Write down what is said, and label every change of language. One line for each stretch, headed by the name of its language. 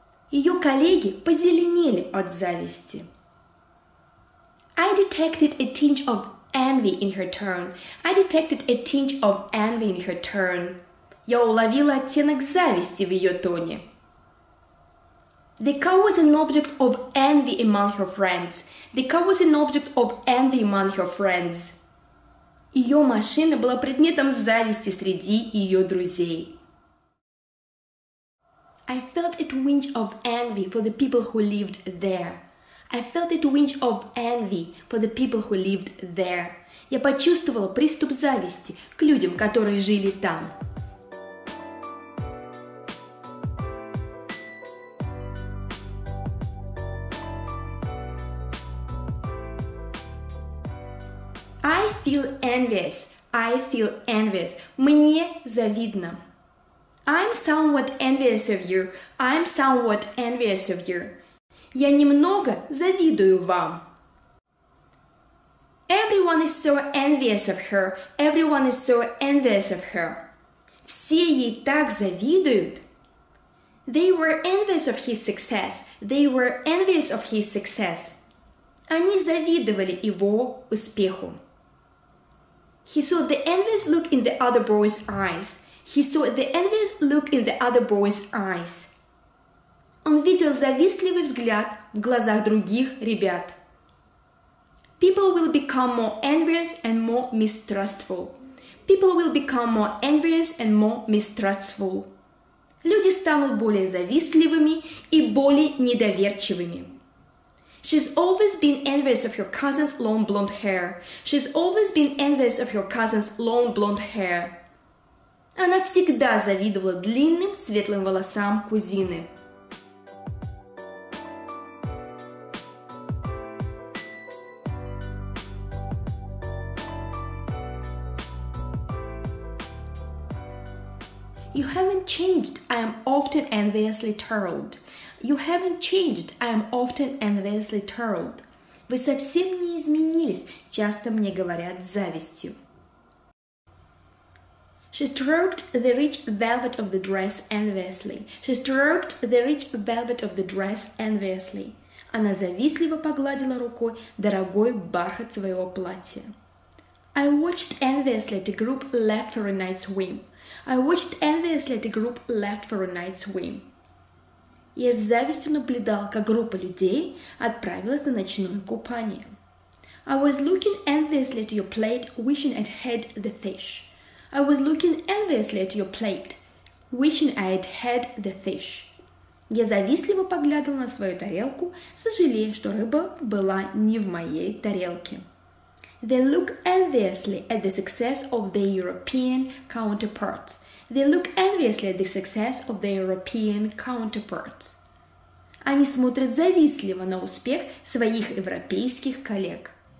Russian: Ее коллеги позеленели от зависти.
English: I detected a tinge of envy in her tone. I detected a tinge of envy in her tone.
Russian: Я уловила оттенок зависти в ее тоне.
English: The car was an object of envy among her friends. The car was an object of envy among her friends.
Russian: Ее машина была предметом зависти среди ее друзей.
English: I felt a twinge of envy for the people who lived there. I felt a twinge of envy for the people who lived there.
Russian: Я почувствовала приступ зависти к людям, которые жили там.
English: I feel envious. I feel envious.
Russian: Мне завидно.
English: I'm somewhat envious of you. I'm somewhat envious of you.
Russian: Я немного завидую вам. Everyone
English: Everyone is so envious of her. Everyone is so envious of her.
Russian: Все ей так завидуют.
English: They were envious of his success. They were envious of his success.
Russian: Они завидовали его успеху.
English: He saw the envious look in the other boy's eyes. He saw the envious look in the other boy's eyes.
Russian: Он видел завистливый взгляд в глазах других ребят.
English: People will become more envious and more mistrustful. People will become more envious and more mistrustful.
Russian: Люди станут более завистливыми и более недоверчивыми.
English: She's always been envious of her cousin's long blonde hair. She's always been envious of her cousin's long blonde hair.
Russian: Она всегда завидовала длинным светлым волосам кузины.
English: You haven't changed, I am often enviously told. You haven't changed, I am often enviously told.
Russian: Вы совсем не изменились, часто мне говорят с завистью.
English: She stroked the rich velvet of the dress enviously. She stroked the rich velvet of the dress enviously.
Russian: Она завистливо погладила рукой дорогой бархат своего платья.
English: I watched enviously the group left for a night's whim. I watched enviously the group left for a night's whim.
Russian: Я с завистью наблюдал, как группа людей отправилась на ночное купание.
English: I was looking enviously at your plate, wishing I'd had the fish. I was looking enviously at your plate, wishing I'd had the fish.
Russian: Я завистливо поглядывал на свою тарелку, сожалея, что рыба была не в моей тарелке.
English: They look enviously at the success of their European counterparts. They look enviously at the success of their European counterparts.
Russian: Они смотрят завистливо на успех своих европейских коллег.